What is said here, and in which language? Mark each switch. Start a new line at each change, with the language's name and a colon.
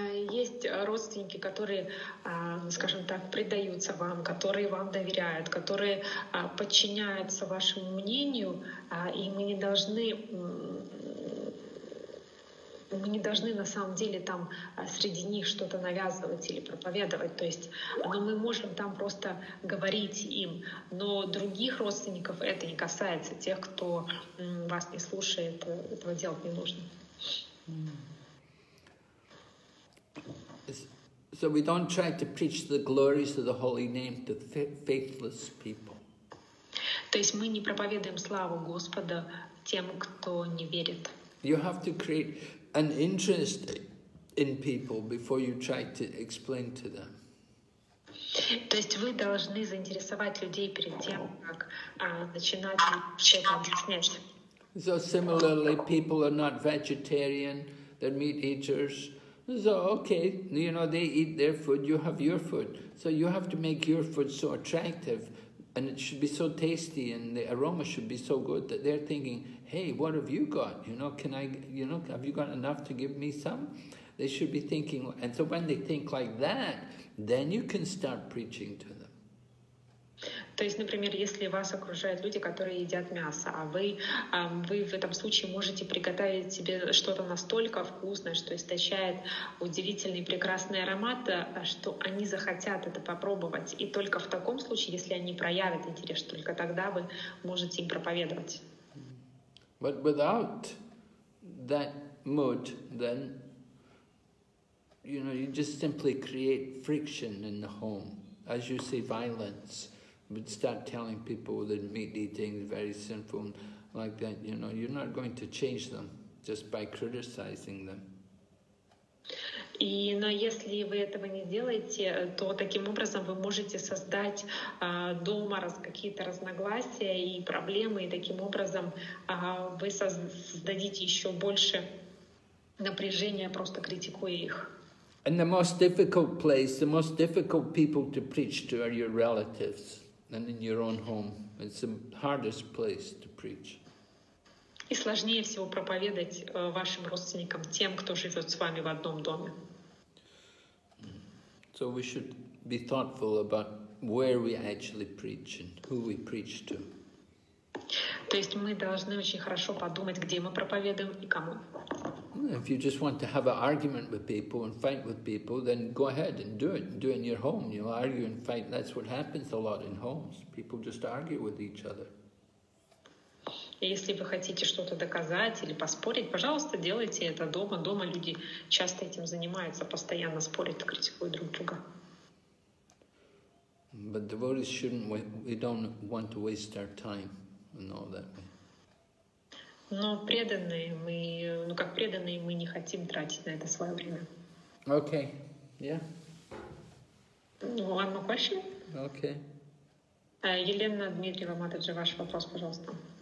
Russian: Есть родственники, которые, скажем так, предаются вам, которые вам доверяют, которые подчиняются вашему мнению, и мы не должны на самом деле там среди них что-то навязывать или проповедовать. То есть, но мы можем там просто говорить им, но других родственников это не касается, тех, кто вас не слушает, этого делать не нужно.
English: So we don't try to preach the glories of the holy name to faithless people.
Russian: То есть мы не проповедуем славу Господа тем, кто не верит.
English: You have to create an interest in people before you try to explain to them.
Russian: То есть вы должны заинтересовать людей перед тем, как начинать что-то объяснять.
English: So similarly, people are not vegetarian, they're meat eaters. So, okay, you know, they eat their food, you have your food. So you have to make your food so attractive, and it should be so tasty, and the aroma should be so good that they're thinking, hey, what have you got? You know, can I, you know, have you got enough to give me some? They should be thinking, and so when they think like that, then you can start preaching to them.
Russian: То есть, например, если вас окружают люди, которые едят мясо, а вы в этом случае можете приготовить себе что-то настолько вкусное, что источает удивительный прекрасный аромат, что они захотят это попробовать. И только в таком случае, если они проявят интерес, только тогда вы можете им проповедовать.
English: But without that mood, then, you know, you just simply create friction in the home, as you say, violence. Would start telling people that meat eating is very sinful, like that. You know, you're not going to change them just by criticizing them.
Russian: И, но если вы этого не делаете, то таким образом вы можете создать дома какие-то разногласия и проблемы, и таким образом вы создадите еще больше напряжения, просто критикуя их.
English: And the most difficult place, the most difficult people to preach to are your relatives and in your own home. It's the hardest place to preach.
Russian: И сложнее всего проповедовать вашим родственникам, тем, кто живет с вами в одном доме.
English: So we should be thoughtful about where we actually preach and who we preach to.
Russian: То есть мы должны очень хорошо подумать, где мы проповедуем и кому.
English: If you just want to have an argument with people and fight with people, then go ahead and do it. Do it in your home. You know, argue and fight. That's what happens a lot in homes. People just argue with each other.
Russian: Если вы хотите что-то доказать или поспорить, пожалуйста, делайте это дома. Дома люди часто этим занимаются, постоянно спорят, критикуют друг друга.
English: But devotees shouldn't. We don't want to waste our time in all that.
Russian: Но преданные мы, ну как преданные, мы не хотим тратить на это свое время.
English: Okay. Yeah. Ну, one more question. Okay.
Russian: Елена Дмитриева Матаджи, ваш вопрос, пожалуйста.